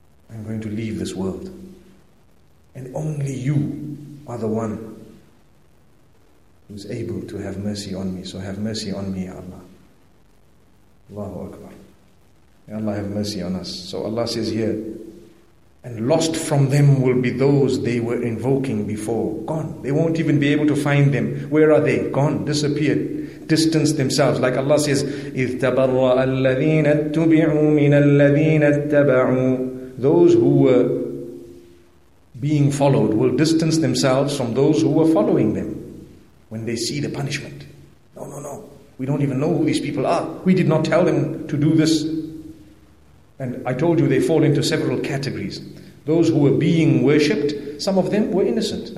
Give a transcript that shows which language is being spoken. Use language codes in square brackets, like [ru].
[en] I'm going to leave this world. And only you are the one who's able to have mercy on me. So have mercy on me, Ya Allah. Allahu Akbar. May Allah have mercy on us. So Allah says here, and lost from them will be those they were invoking before. Gone. They won't even be able to find them. Where are they? Gone. Disappeared. Distanced themselves. [ar] Like Allah says, إِذْ تَبَرَّأَ الَّذِينَ اتُّبِعُوا مِنَ الَّذِينَ اتَّبَعُوا. [en] Those who were being followed will distance themselves from those who were following them when they see the punishment. No, no, no. We don't even know who these people are. We did not tell them to do this. And I told you they fall into several categories. Those who were being worshipped, some of them were innocent.